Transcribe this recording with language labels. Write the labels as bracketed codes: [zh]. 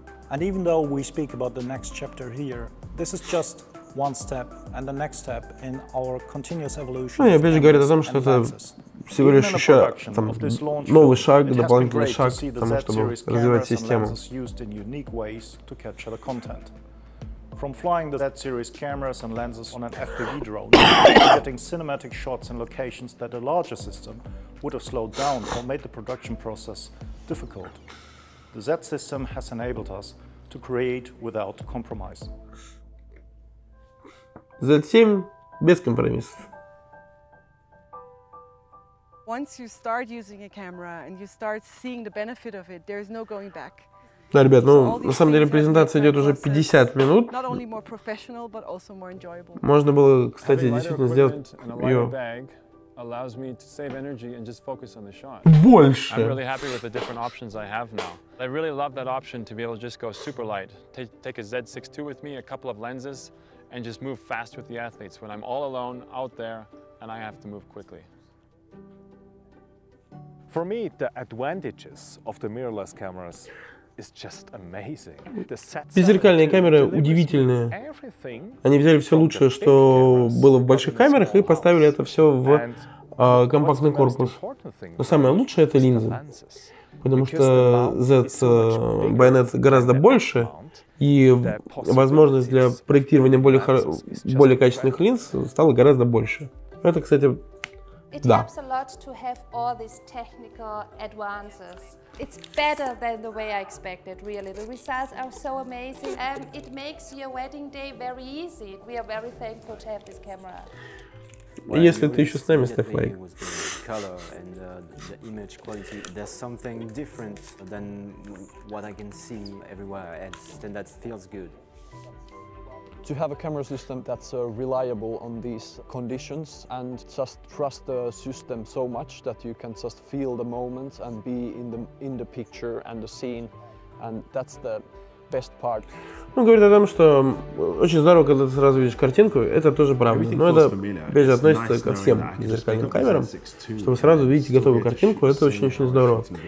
[en] And even though we speak about the next chapter here, this is just one step and the next step in our continuous evolution. [ru] Ну, я опять же говорю о том, что это всего лишь еще там новый шаг, дополнительный шаг к тому, чтобы развивать систему. [en] Used in unique ways to capture the content. From flying the Z series cameras and lenses on an FPV drone to getting cinematic shots in locations that a larger system would have slowed down or made the production process difficult. The Z system has enabled us to create without compromise. [ru] Z7 без компромиссов. [en] Once you start using a camera and you start seeing the benefit of it, there is no going back. [ru] Да, ребят, ну, на самом деле презентация идет уже 50 минут. Можно было, кстати, действительно сделать ее [en] allows me to save energy and just focus on the shot. [ru] Больше. [en] I'm really happy with the different options I have now. I really love that option to be able to just go super light, take a Z6II with me, a couple of lenses, and just move fast with the athletes when I'm all alone out there and I have to move quickly. For me, the advantages of the mirrorless cameras is just amazing. [ru] Беззеркальные камеры удивительные. Они взяли все лучшее, что было в больших камерах, и поставили это все в компактный корпус. Но самое лучшее — это линзы. потому что Z байонет гораздо больше, и возможность для проектирования более качественных линз стала гораздо больше. Это, кстати, да. [en] It helps a lot to have all these technical advances. It's better than the way I expected, really. The results are so amazing. It makes your wedding day very easy. We are very thankful to have this camera. [ru] Если ты еще с нами, ставь лайк. [en] Color and the image quality, there's something different than what I can see everywhere else, and that feels good. To have a camera system that's reliable on these conditions and just trust the system so much that you can just feel the moment and be in the picture and the scene, and that's the best part. [ru] Ну, говорит о том, что очень здорово, когда ты сразу видишь картинку, это тоже правда. Но это, опять же, относится ко всем зеркальным камерам, что вы сразу видите готовую картинку, это очень-очень здорово.